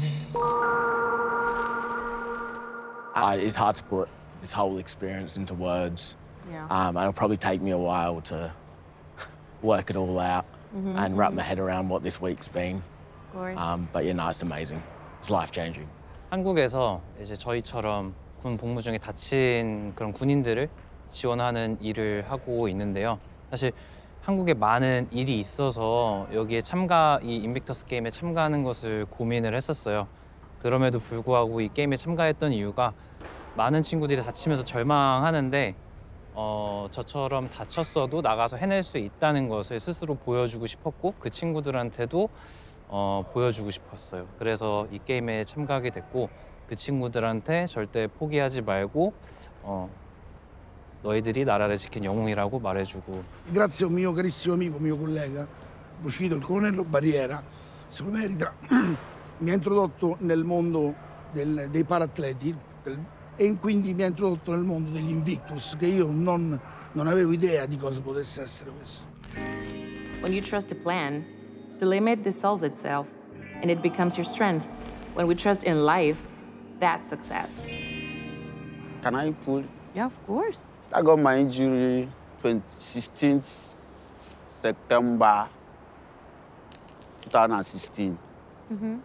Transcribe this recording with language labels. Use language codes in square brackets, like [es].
[en] It's hard to put this whole experience into words. Yeah. It'll probably take me a while to work it all out, mm-hmm, and wrap my head around what this week's been. Of course. But you know, it's amazing. It's life-changing. [ko] 한국에서 이제 저희처럼 군 복무 중에 다친 그런 군인들을 지원하는 일을 하고 있는데요. 사실 한국에 많은 일이 있어서 여기에 이 인빅터스 게임에 참가하는 것을 고민을 했었어요. 그럼에도 불구하고 이 게임에 참가했던 이유가 많은 친구들이 다치면서 절망하는데 저처럼 다쳤어도 나가서 해낼 수 있다는 것을 스스로 보여주고 싶었고 그 친구들한테도 보여주고 싶었어요. 그래서 이 게임에 참가하게 됐고 그 친구들한테 절대 포기하지 말고 너희들이 나라를 지킨 영웅이라고 말해주고. [it] Grazie mio carissimo amico, mio collega, uscito il colonnello Barriera, se lo merita, mi ha introdotto nel mondo dei paratleti e quindi mi ha introdotto nel mondo degli Invictus, che io non avevo idea di cosa potesse essere questo. [en] When you trust a plan, the limit dissolves itself, and it becomes your strength. When we trust in life, that's success. Can I pull? Yeah, of course. I got my injury 16th September 2016. Mm-hmm.